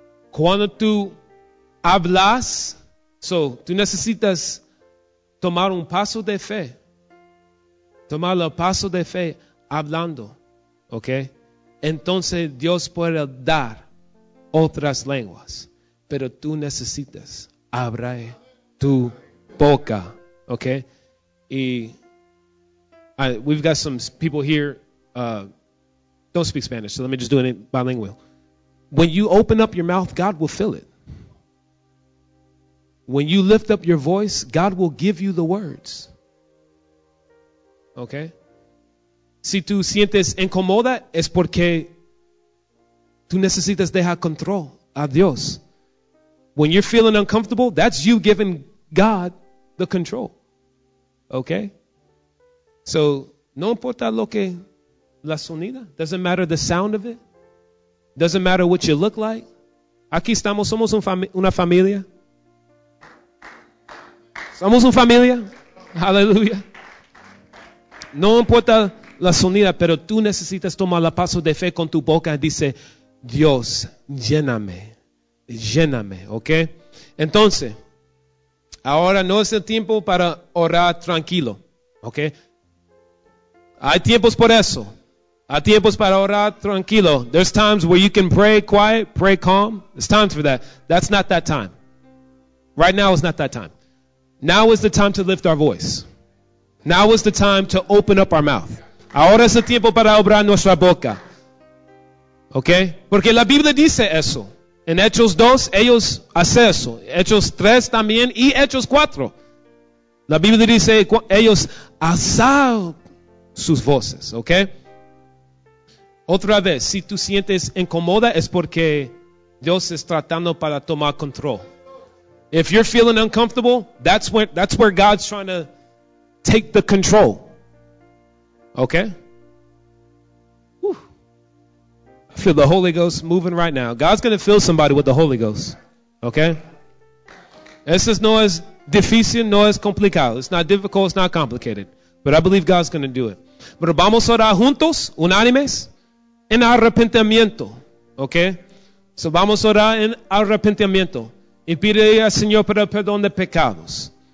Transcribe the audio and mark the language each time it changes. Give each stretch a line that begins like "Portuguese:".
Spanish: Cuando tú hablas, tú necesitas tomar un paso de fe. Tomar el paso de fe hablando. ¿Ok? Entonces Dios puede dar otras lenguas, pero tú necesitas abrir tu boca, ¿ok?
English: Y we've got some people here don't speak Spanish, so let me just do it bilingual. When you open up your mouth, God will fill it. When you lift up your voice, God will give you the words, ¿ok?
Spanish: Si tú sientes incomoda, es porque tú necesitas dejar control a Dios.
English: When you're feeling uncomfortable, that's you giving God the control. Okay? So,
Spanish: no importa lo que la sonida,
English: doesn't matter the sound of it, doesn't matter what you look like.
Spanish: Aquí estamos, somos una familia. Somos una familia. Hallelujah. No importa la sonida, pero tú necesitas tomar el paso de fe con tu boca. Dice, Dios, lléname. Lléname, ¿ok? Entonces, ahora no es el tiempo para orar tranquilo, ¿ok? Hay tiempos por eso. Hay tiempos para orar tranquilo.
English: There's times where you can pray quiet, pray calm. There's times for that. That's not that time. Right now is not that time. Now is the time to lift our voice. Now is the time to open up our mouth.
Spanish: Ahora es el tiempo para obrar nuestra boca. ¿Ok? Porque la Biblia dice eso. En Hechos 2, ellos hacen eso. Hechos 3 también y Hechos 4. La Biblia dice, ellos alzan sus voces. ¿Ok? Otra vez, si tú sientes incómoda, es porque Dios está tratando para tomar control.
English: If you're feeling uncomfortable, that's where God's trying to take the control. Okay? Whew. I feel the Holy Ghost moving right now. God's going to fill somebody with the Holy Ghost. Okay?
Spanish: Eso no es difícil, no es complicado.
English: It's not difficult, it's not complicated. But I believe God's going to do it.
Spanish: Pero vamos a orar juntos, unánimes, en arrepentimiento. Okay? So vamos a orar en arrepentimiento. Y pide al Señor para el perdón de pecados.